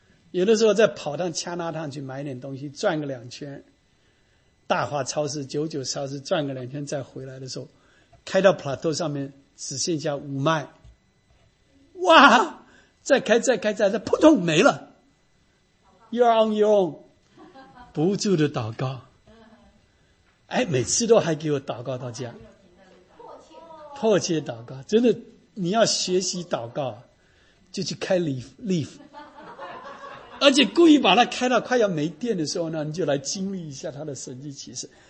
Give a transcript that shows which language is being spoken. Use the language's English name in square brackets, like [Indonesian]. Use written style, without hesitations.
[Chinese] 有的时候再跑趟加拿大去买点东西，转个两圈，大华超市、九九超市转个两圈再回来的时候，开到 plateau 上面只剩下5迈，哇！再开再开再开，扑通没了。 [English] You are on your own， [Chinese] 不住的祷告。哎，每次都还给我祷告到家，迫切祷告。真的，你要学习祷告，就去开 leaf， 而且故意把它开到快要没电的时候呢，你就来经历一下它的神迹奇事。